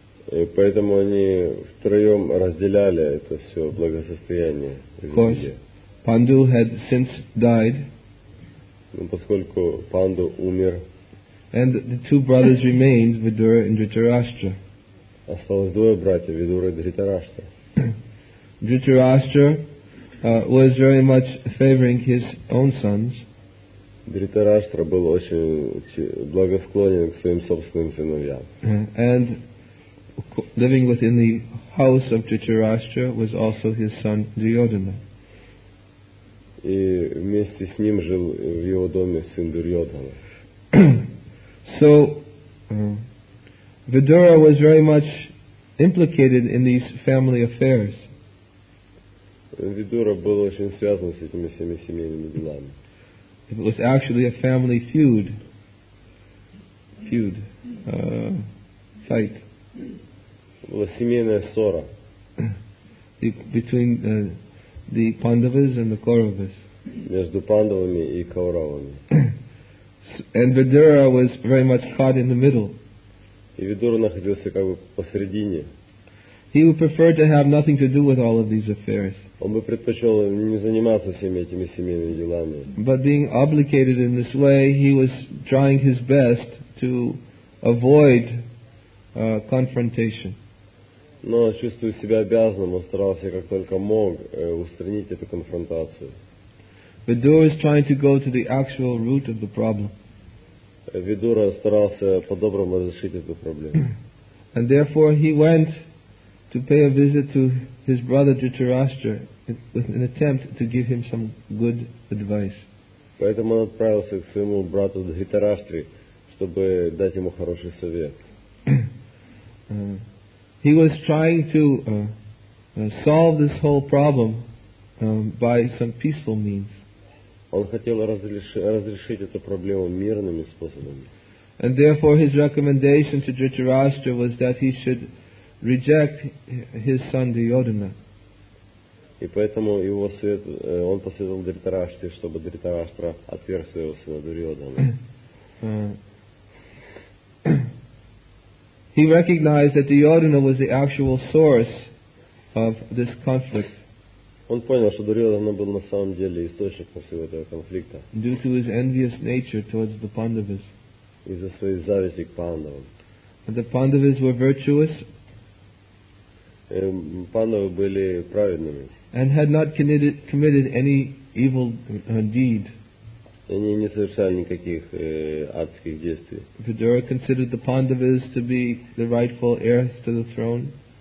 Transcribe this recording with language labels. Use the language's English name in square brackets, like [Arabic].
[Russian] И поэтому они втроем разделяли это все благосостояние. [English] Of course, Панду had since died. [Russian] Но поскольку Панду умер. [English] And the two brothers remained, Vidura and Dhritarashtra. [Russian] Осталось двое братьев, Vidura и Dhritarashtra. [English] Dhritarashtra was very much favoring his own sons. [Russian] Dhritarashtra был очень благосклонен к своим собственным сыновьям. [English] And living within the house of Dhritarashtra was also his son Duryodhana. [Russian] И вместе с ним жил в его доме сын Дурьодхана. [English] So, Vidura was very much implicated in these family affairs. [Russian] Vidura был очень связан с этими всеми семейными делами. [English] It was actually a family feud. Feud. Fight. [Russian] Была семейная ссора. [English] Between the Pandavas and the Kauravas. [Russian] Между Пандавами и Кауравами. [English] And Vidura was very much caught in the middle. [Russian] И Vidura находился как бы посередине. [English] He would prefer to have nothing to do with all of these affairs. [Russian] Он бы предпочел не заниматься всеми этими семейными делами. [English] But being obligated in this way, he was trying his best to avoid confrontation. [Russian] Но чувствуя себя обязанным, он старался как только мог устранить эту конфронтацию. [English] Vidura is trying to go to the actual root of the problem. [Russian] Vidura старался по-доброму разрешить эту проблему. [English] And therefore he went to pay a visit to his brother Dhritarashtra with an attempt to give him some good advice. [Russian] Поэтому он отправился к своему брату Дхритараштре, чтобы дать ему хороший совет. [English] He was trying to solve this whole problem by some peaceful means. [Russian] Он хотел разрешить эту проблему мирными способами. [English] And therefore his recommendation to Dhritarashtra was that he should reject his son Duryodhana. [Russian] И поэтому его совет, он посоветовал Дхритарашти, чтобы Дхритараштра отверг своего сына Дурьодхана. [English] He recognized that Duryodhana was the actual source of this conflict. [Russian] Он понял, что Дурьодхана был на самом деле источником всего этого конфликта. [English] Due to his envious nature towards the Pandavas. [Russian] Из-за своей зависти к Пандавам. [English] And the Pandavas were virtuous. [Russian] Пандавы были праведными. [English] And had not committed any evil deed. [Russian] Они не совершали никаких адских действий. [English] Vidura considered the Pandavas to be the rightful heirs to the throne.